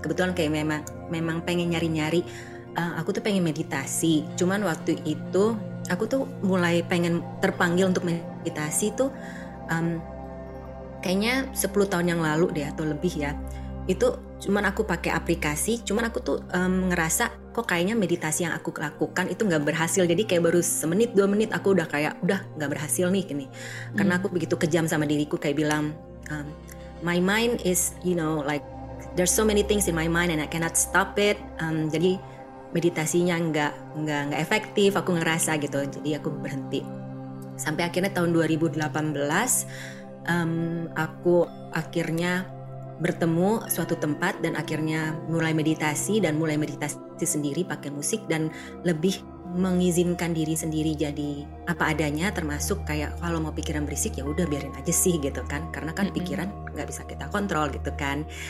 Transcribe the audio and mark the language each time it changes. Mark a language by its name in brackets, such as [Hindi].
[Indonesian] Kebetulan kayak memang pengen nyari-nyari. Aku tuh pengen meditasi, cuman waktu itu aku tuh mulai pengen terpanggil untuk meditasi tuh kayaknya 10 tahun yang lalu deh atau lebih ya. Itu cuman aku pakai aplikasi, cuman aku tuh ngerasa kok kayaknya meditasi yang aku lakukan itu gak berhasil. Jadi kayak baru semenit dua menit aku udah kayak udah gak berhasil nih gini. Karena aku begitu kejam sama diriku, kayak bilang [English] my mind is, you know, like there's so many things in my mind and I cannot stop it. [Indonesian] Jadi meditasinya nggak efektif, aku ngerasa gitu, jadi aku berhenti. Sampai akhirnya tahun 2018, aku akhirnya bertemu suatu tempat dan akhirnya mulai meditasi sendiri pakai musik dan lebih mengizinkan diri sendiri jadi apa adanya, termasuk kayak kalau mau pikiran berisik ya udah biarin aja sih gitu kan, karena kan pikiran nggak bisa kita kontrol gitu kan.